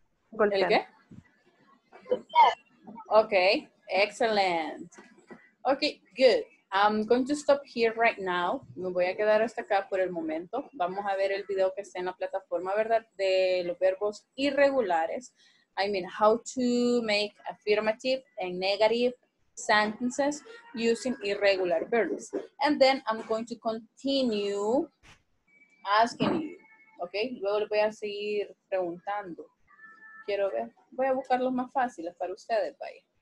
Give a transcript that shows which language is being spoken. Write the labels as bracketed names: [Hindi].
[Spanish] Golpear. ¿El qué? [English] Ok. Excellent. Ok, good. I'm going to stop here right now. [Spanish] Me voy a quedar hasta acá por el momento. Vamos a ver el video que está en la plataforma, ¿verdad? De los verbos irregulares. [English] I mean, how to make affirmative and negative sentences using irregular verbs. And then I'm going to continue asking you, okay? [Spanish] Luego le voy a seguir preguntando. Quiero ver, voy a buscar los más fáciles para ustedes, vaya.